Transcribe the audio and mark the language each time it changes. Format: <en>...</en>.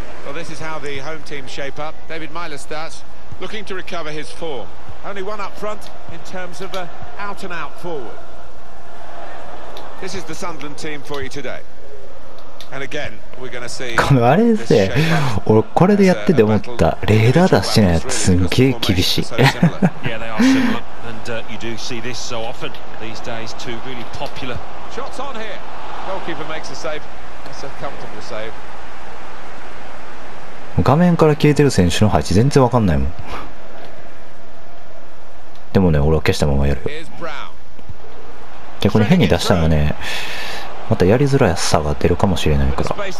<en>Well, this is how the home team shape up. David Myler starts, looking to recover his form. Only one up front in terms of an out-and-out forward. This is the Sunderland team for you today. And again, we're going to see...</en> <ja>これあれですね。俺これでやってて思った。レーダー出してないやつすんげー厳しい。</ja> <en>Yeah, they are similar. And you do see this so often these days. Two really popular... Shots on here. Goalkeeper makes a save. That's a comfortable save.</en> <ja>画面から消えてる選手の配置全然わかんないもん。でもね、俺は消したままやるよ。で、これ変に出したらね、またやりづらさが出るかもしれないから。</ja>